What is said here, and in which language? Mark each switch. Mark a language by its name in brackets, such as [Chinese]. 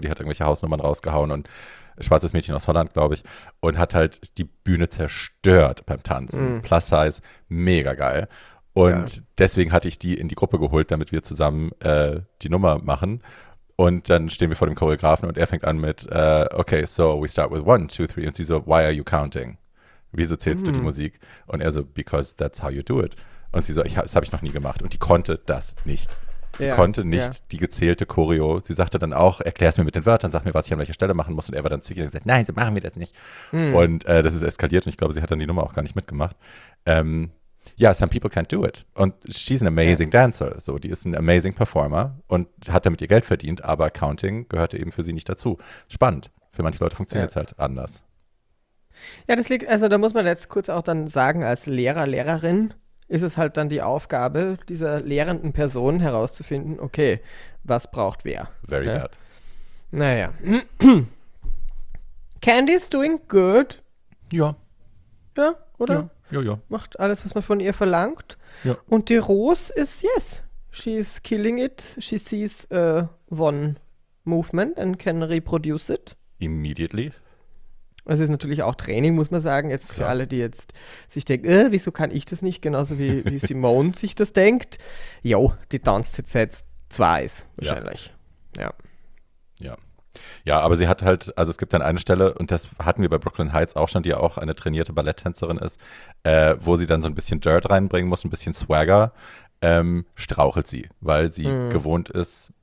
[German] Die hat irgendwelche Hausnummern rausgehauen und schwarzes Mädchen aus Holland, glaube ich, und hat halt die Bühne zerstört beim Tanzen. Mm. Plus Size, mega geil. Und deswegen hatte ich die in die Gruppe geholt, damit wir zusammen die Nummer machen. Und dann stehen wir vor dem Choreografen und er fängt an mit, okay, [English] so we start with 1, 2, 3. [German] Und sie so, [English] why are you counting? [German] Wieso zählst du die Musik? Und er so, [English] because that's how you do it. [German] Und sie so, das habe ich noch nie gemacht. Und die konnte das nicht. Die konnte nicht die gezählte Choreo. Sie sagte dann auch, erklär es mir mit den Wörtern, sag mir, was ich an welcher Stelle machen muss. Und er war dann zickig und gesagt, nein, so machen wir das nicht. Mm. Und das ist eskaliert und ich glaube, sie hat dann die Nummer auch gar nicht mitgemacht. Ja, [English] yeah, some people can't do it. [German] Und [English] she's an amazing dancer. [German] So, die ist ein amazing performer und hat damit ihr Geld verdient, aber Counting gehörte eben für sie nicht dazu. Spannend. Für manche Leute funktioniert es halt anders. Ja, das liegt, also da muss man jetzt kurz auch dann sagen, als Lehrer, Lehrerin ist es halt dann die Aufgabe dieser lehrenden Person herauszufinden, okay, was braucht wer? [English] Very bad. [German] Naja. [English] Candy's doing good. [German] Ja. Ja, oder? Ja. Jojo. Macht alles, was man von ihr verlangt. Ja. Und die Rose ist, [English] yes, she's killing it. She sees one movement and can reproduce it. Immediately. [German] Es ist natürlich auch Training, muss man sagen. Jetzt für alle, die jetzt sich denken, wieso kann ich das nicht? Genauso wie Simone sich das denkt. Jo, die tanzt jetzt zwei wahrscheinlich. Ja. Ja. Ja, aber sie hat halt, also es gibt dann eine Stelle und das hatten wir bei Brooklyn Heights auch schon, die ja auch eine trainierte Balletttänzerin ist, wo sie dann so ein bisschen Dirt reinbringen muss, ein bisschen Swagger, strauchelt sie, weil sie gewohnt ist,